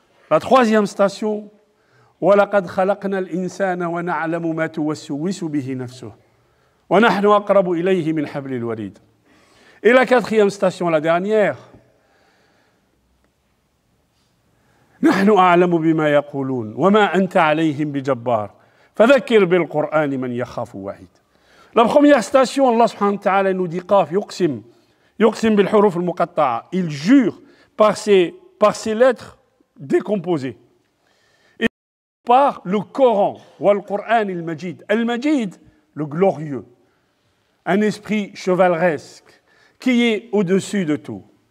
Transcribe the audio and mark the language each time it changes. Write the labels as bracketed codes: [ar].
[fr] La troisième station, [ar] وَلَقَدْ خَلَقْنَا الْإِنسَانَ وَنَعْلَمُ مَا تُوَسْوِسُ بِهِ نَفْسُهُ وَنَحْنُ أَقْرَبُ إِلَيْهِ مِنْ حَبْلِ الْوَرِيدِ. [fr] Et la quatrième station, la dernière. [ar] نَحْنُ أَعْلَمُ بِمَا يَقُولُونَ وَمَا أَنْتَ عَلَيْهِمْ بِجَبَّارٍ فَذَكِّرْ بِالْقُرْآنِ مَنْ يَخَافُ وَعِيدِ. [fr] La première station, Allah subhanahu wa ta'ala nous dit qaf, yuqsim. [ar] Yuqsim bil huruf al muqatta'a. [fr] Il jure par ses lettres décomposées. Et par le Coran, [ar] wal Qur'an al Majid. [fr] Al Majid, le glorieux, un esprit chevaleresque qui est au-dessus de tout.